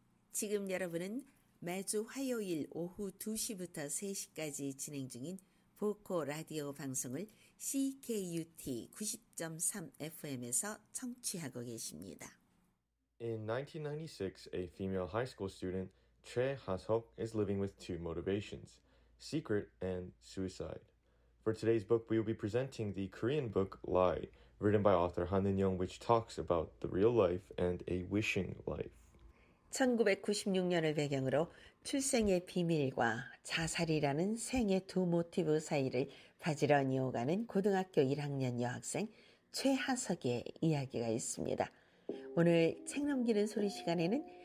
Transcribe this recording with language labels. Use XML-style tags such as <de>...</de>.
<ko>지금 여러분은 매주 화요일 오후 2시부터 3시까지 진행 중인 보코 라디오 방송을 CKUT 90.3 FM에서 청취하고 계십니다.</ko> <en>In 1996, a female high school student, Choi Ha-seok, is living with two motivations, secret and suicide. For today's book, we will be presenting the Korean book Lie, written by author Han In-young, which talks about the real life and a wishing life.</en> <ko>1996년을 배경으로 출생의 비밀과 자살이라는 생의 두 모티브 사이를 가지런히 오가는 고등학교 1학년 여학생 최하석의 이야기가 있습니다. 오늘 책 넘기는 소리 시간에는</ko>